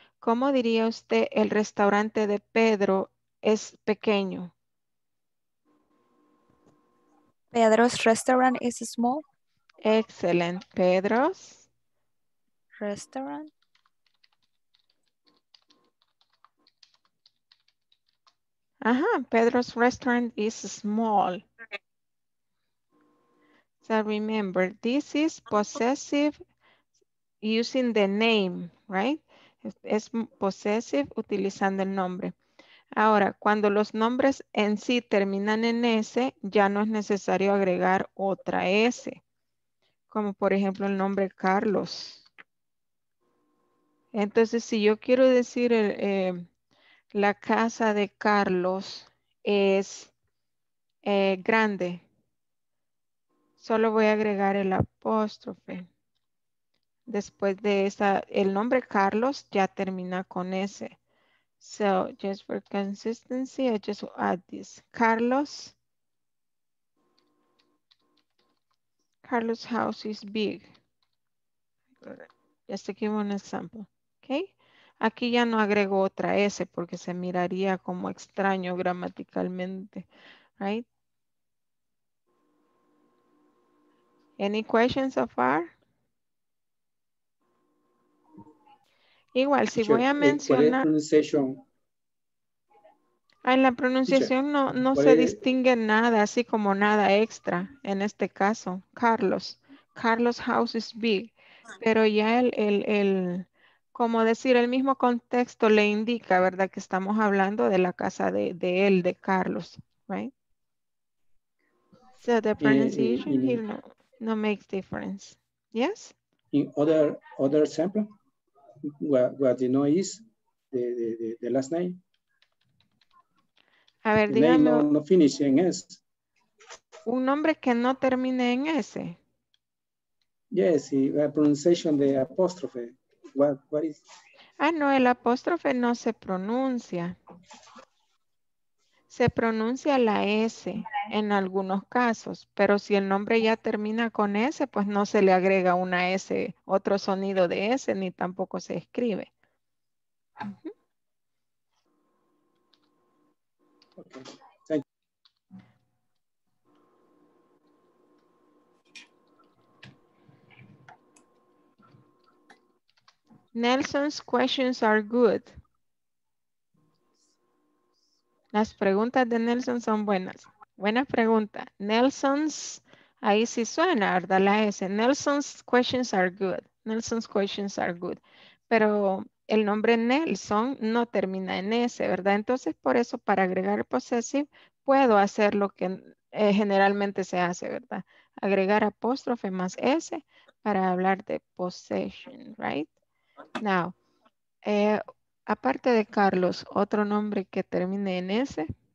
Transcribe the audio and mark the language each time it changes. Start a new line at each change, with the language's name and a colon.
Spanish: ¿Cómo diría usted el restaurante de Pedro es pequeño?
English: Pedro's restaurant is small. Excellent. Pedro's restaurant Pedro's restaurant is small. So remember, this is possessive using the name, right?
Spanish: Es possessive utilizando el nombre. Ahora, cuando los nombres en sí terminan en S, ya no es necesario agregar otra S. Como por ejemplo el nombre Carlos. Entonces, si yo quiero decir la casa de Carlos es grande, solo voy a agregar el apóstrofe. Después de esa, el nombre Carlos ya termina con S.
English: So, just for consistency, I just add this. Carlos' house is big. Just to give an example, okay?
Spanish: Aquí ya no agrego otra S porque se miraría como extraño gramaticalmente,
English: right? Any questions so far?
Spanish: Igual, si voy a mencionar... ¿Cuál es la pronunciación? En la pronunciación no se distingue nada, así como nada extra, en este caso.
English: Carlos' house is big.
Spanish: Pero ya como decir, el mismo contexto le indica, ¿verdad? Que estamos hablando de la casa de él, de Carlos,
English: right? So the pronunciation here no makes difference. Yes? In other example, what you know is the last name.
Spanish: A ver,
English: the
Spanish: dígame.
English: No finish en S.
Spanish: Un nombre que no termine en S.
English: Yes, the pronunciation
Spanish: de apóstrofe.
English: What is?
Spanish: Ah, no, el apóstrofe no se pronuncia. Se pronuncia la S en algunos casos, pero si el nombre ya termina con S, pues no se le agrega una S, otro sonido de S, ni tampoco se escribe.
English: Nelson's questions are good.
Spanish: Las preguntas de Nelson son buenas. Buena pregunta. Nelson's, ahí sí suena, ¿verdad? La S.
English: Nelson's questions are good. Nelson's questions are good.
Spanish: Pero el nombre Nelson no termina en S, ¿verdad? Entonces, por eso, para agregar possessive, puedo hacer lo que generalmente se hace, ¿verdad? Agregar apóstrofe más S para hablar de possession,
English: right? Now,
Spanish: aparte de Carlos, ¿otro nombre que termine en S?